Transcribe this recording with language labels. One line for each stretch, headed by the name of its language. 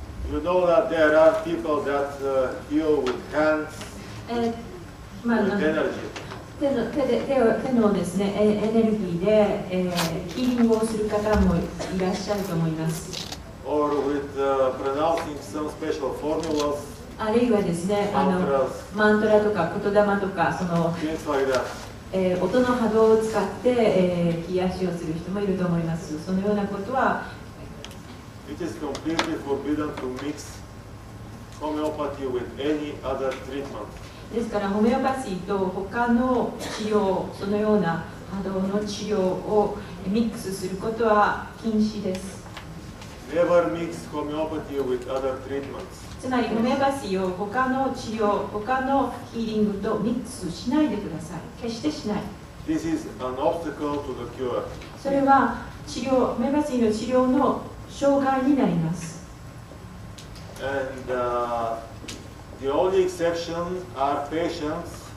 English: You know that there are people that heal with hands, with energy.
Japanese: 手のですね、エネルギーで、ヒーリングをする方もいらっしゃると思います。
English: Or with pronouncing some special formulas.
Japanese: あるいはですね、
English: mantras,
Japanese: マントラとか言霊とか、その、
English: things like that.
Japanese: 音の波動を使って、癒しをする人もいると思います。そのようなことは、
English: It is completely forbidden to mix homeopathy with any other treatment.
Japanese: ですから、ホメオパシーと他の治療、そのような波動の治療をミックスすることは禁止です。
English: Never mix homeopathy with other treatments.
Japanese: つまり、ホメオパシーを他の治療、他のヒーリングとミックスしないでください。決してしない。
English: This is an obstacle to the cure.
Japanese: それは治療、ホメオパシーの治療の障害になります。
English: And, the only exception are patients